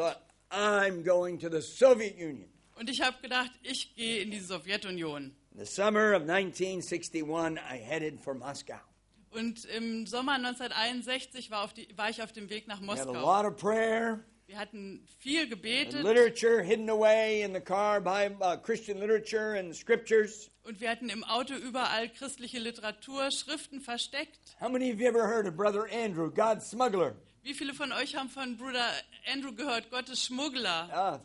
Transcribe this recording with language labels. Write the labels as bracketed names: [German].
[English] I thought, I'm going to the Soviet Union. [German] Und ich habe gedacht, ich gehe in die Sowjetunion. [English] In the summer of 1961, I headed for Moscow. [German] Und im Sommer 1961 war ich auf dem Weg nach Moskau. [English] We had a lot of prayer. [German] Wir hatten viel gebetet. [English] Literature hidden away in the car by Christian literature and scriptures. [German] Und wir hatten im Auto überall christliche Literatur, Schriften versteckt. [English] How many of you ever heard of Brother Andrew, God's smuggler? [German] Wie viele von euch haben von Bruder Andrew gehört, Gottes Schmuggler?